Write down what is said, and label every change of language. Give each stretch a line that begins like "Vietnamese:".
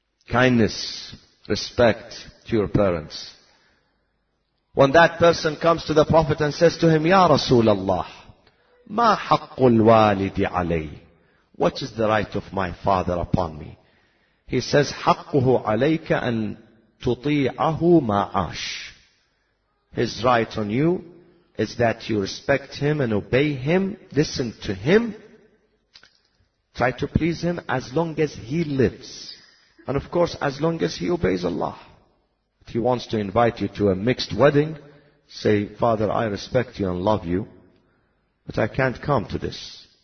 English: Kindness, respect to your parents. When that person comes to the Prophet and says to him,
Arabic: يَا رَسُولَ اللَّهِ مَا حَقُّ الْوَالِدِ عَلَيْهِ.
English: What is the right of my father upon me? He says,
Arabic: حَقُّهُ عَلَيْكَ أَن تُطِيعَهُ مَا عَاشِ.
English: His right on you is that you respect him and obey him, listen to him, try to please him as long as he lives. And of course, as long as he obeys Allah. If he wants to invite you to a mixed wedding, say, Father, I respect you and love you, but I can't come to this.